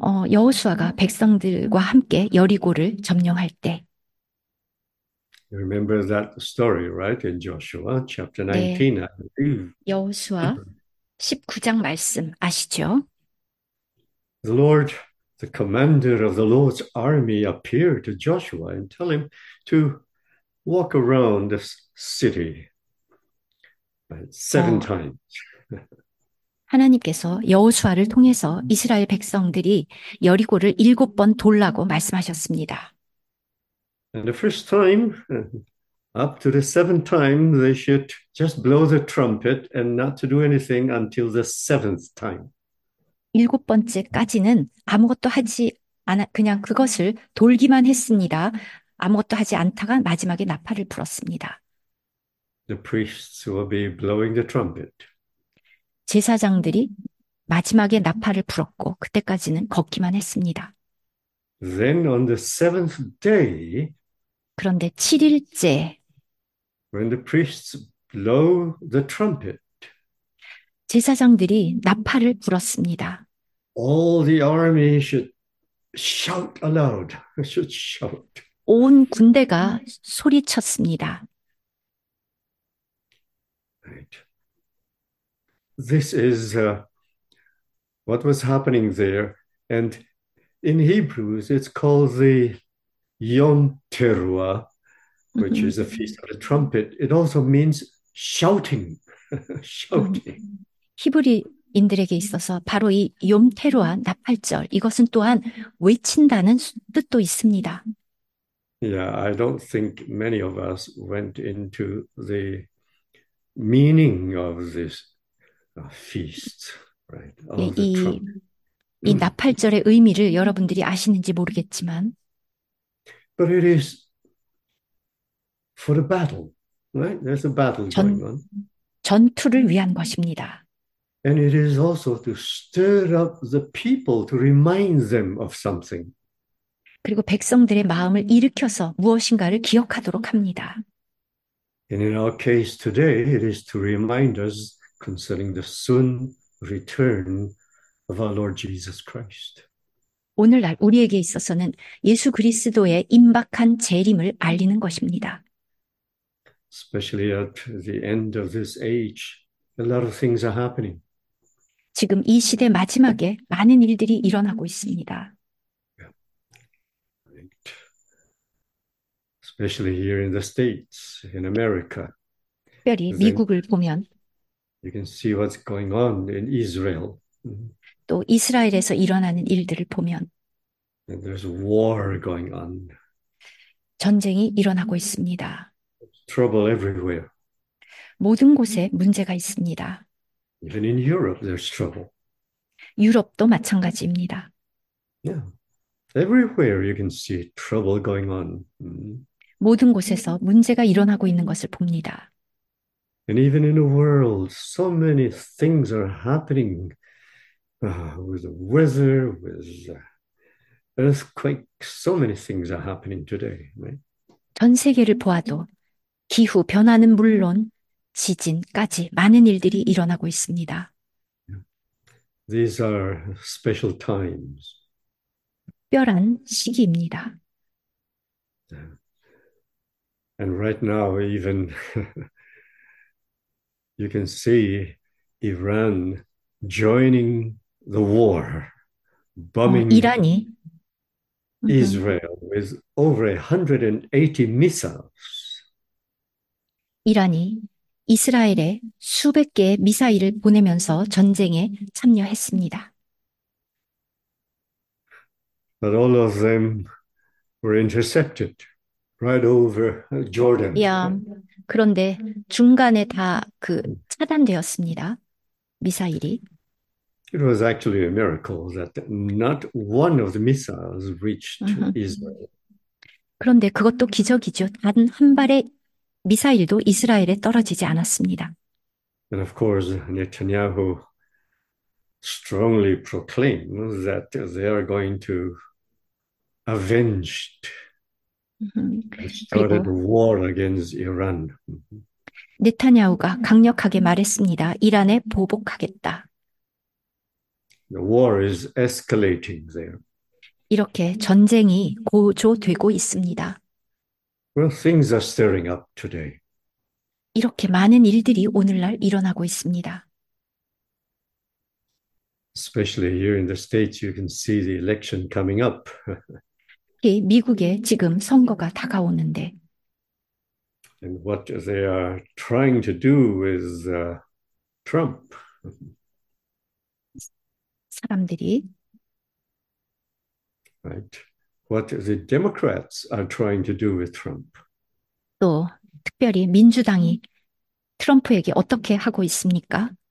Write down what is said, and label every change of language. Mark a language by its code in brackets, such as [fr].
[ko] 여호수아가 백성들과 함께 여리고를 점령할 때, [en] You remember that story, right? In Joshua chapter [ko] 네, [en] 19, I believe. [ko] 여호수아 19장 말씀 아시죠? [en] The commander of the Lord's army appeared to Joshua and tell him to walk around the city seven times. [ko] 하나님께서 여호수아를 통해서 이스라엘 백성들이 여리고를 7번 돌라고 말씀하셨습니다. [en] And the first time, up to the seventh time, they should just blow the trumpet and not to do anything until the seventh time. [ko] 7번째까지는 아무것도 하지 않아 그냥 그것을 돌기만 했습니다. 아무것도 하지 않다가 마지막에 나팔을 불었습니다. [en] The priests will be blowing the trumpet. [ko] 제사장들이 마지막에 나팔을 불었고, 그때까지는 걷기만 했습니다. [en] Then on the seventh day, [ko] 그런데 7일째, [en] when the priests blow the trumpet, [ko] 제사장들이 나팔을 불었습니다. [en] all the army should shout aloud. Should shout. [ko] 온 군대가 소리쳤습니다. [en] This is what was happening there, and in Hebrews it's called the Yom Teruah, which is a feast of the trumpet. It also means shouting, shouting. [ko] 히브리인들에게 있어서 바로 이 욤테루아 나팔절 이것은 또한 외친다는 뜻도 있습니다. [en] Yeah, I don't think many of us went into the meaning of this feast, right? [ko] 예, [en] Of the trumpet. [ko] 이 나팔절의 의미를 여러분들이 아시는지 모르겠지만 [en] But it is for the battle, right? There's a battle going on. [ko] 전투를 위한 것입니다. [en] And it is also to stir up the people to remind them of something. [ko] 그리고 백성들의 마음을 일으켜서 무엇인가를 기억하도록 합니다. [en] And in our case today, it is to remind us concerning the soon return of our Lord Jesus Christ. [ko] 오늘날 우리에게 있어서는 예수 그리스도의 임박한 재림을 알리는 것입니다. [en] Especially at the end of this age, a lot of things are happening. [ko] 지금 이 시대 마지막에 많은 일들이 일어나고 있습니다. [en] Especially here in the States, in America. [ko] 특별히 [en] Then [ko] 미국을 보면 [en] you can see what's going on in Israel. [ko] 또 이스라엘에서 일어나는 일들을 보면 [en] And there's war going on. [ko] 전쟁이 일어나고 있습니다. [en] Trouble everywhere. [ko] 모든 곳에 문제가 있습니다. [en] Even in Europe, there's trouble. [ko] 유럽도 마찬가지입니다. [en] Yeah. Everywhere you can see trouble going on. [ko] 모든 곳에서 문제가 일어나고 있는 것을 봅니다. [en] And even in the world, so many things are happening with the weather, with Earthquake, so many things are happening today, right? [ko] 전 세계를 보아도 기후 변화는 물론 지진까지 많은 일들이 일어나고 있습니다. [en] These are special times. [ko] 특별한 시기입니다. [en] And right now, even you can see Iran joining the war, bombing [ko] 이란이 [en] Israel with over 180 missiles. [ko] 이란이 이스라엘에 수백 개의 미사일을 보내면서 전쟁에 참여했습니다. [en] But all of them were intercepted right over Jordan. [ko] 그런데 중간에 다그 차단되었습니다. 미사일이. [en] It was actually a miracle that not one of the missiles reached Israel. [ko] 그런데 그것도 기적이죠. 단한 발의 미사일도 이스라엘에 떨어지지 않았습니다. [en] And of course, Netanyahu strongly proclaims that they are going to avenged and started [ko] 그리고 [en] war against Iran. [ko] 네타냐후가 강력하게 말했습니다. 이란에 보복하겠다. [en] The war is escalating there. [ko] 이렇게 전쟁이 고조되고 있습니다. [en] Well, things are stirring up today. [ko] 이렇게 많은 일들이 오늘날 일어나고 있습니다. [en] Especially here in the States, you can see the election coming up. [ko] 미국에 지금 선거가 다가오는데, [en] And what they are trying to do is Trump. [ko] 사람들이 [en] Right. What the Democrats are trying to do with Trump. [ko] 또 특별히 민주당이 트럼프에게 어떻게 하고 있습니까?